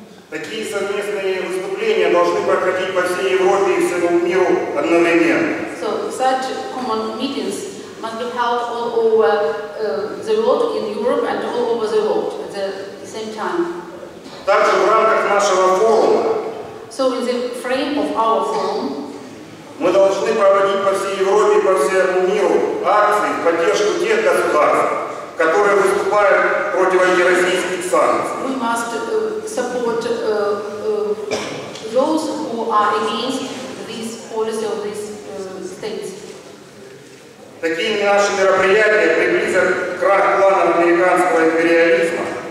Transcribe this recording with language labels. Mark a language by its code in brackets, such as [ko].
[ru] Такие совместные выступления должны проходить по всей Европе и всему миру одновременно. [en] So such common meetings must be held all over the world in Europe and all over the world at the same time. [ru] Также в рамках нашего форума. [en] So in the frame of our forum. [ru] Мы должны проводить по всей Европе, по всему миру акции в поддержку тех государств, которые выступают против антироссийских санкций. [en] We must support those who are against this policy of these states. [ru] Такие наши мероприятия приблизят крах плана американского империализма.